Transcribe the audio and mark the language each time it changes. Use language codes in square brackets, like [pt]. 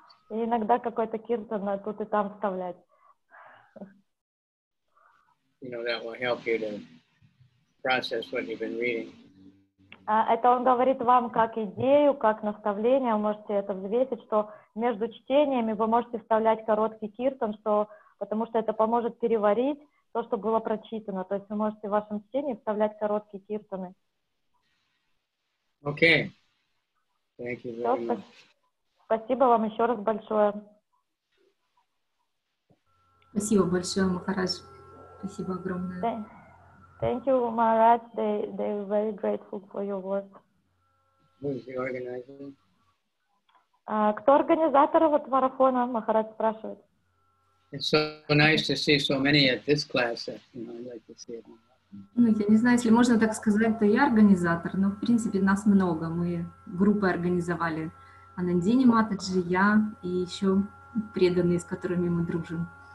[ru] И иногда какой-то киртан тут и там вставлять. [en] You know, that will help you to process what you've been reading. [ru] Это он говорит вам как идею, как наставление, вы можете это взвесить, что между чтениями вы можете вставлять короткий киртан, что, потому что это поможет переварить то, что было прочитано. То есть вы можете в вашем чтении вставлять короткие киртаны. [en] Okay. Thank you very much. [ru] Спасибо вам еще раз большое. Спасибо большое, Махарадж. Спасибо огромное. [en] Thank you. Thank you, Maharaj. They are very grateful for your work. Who is the organizer? [ru] Кто организатор вот марафона, Махарадж спрашивает. [en] It's so nice to see so many at this class. I'd like to see it. [ru] Я не знаю, если можно так сказать, то я организатор, но в принципе нас много. Мы группы организовали. Анандини Матаджи, я и еще преданные, с которыми мы дружим.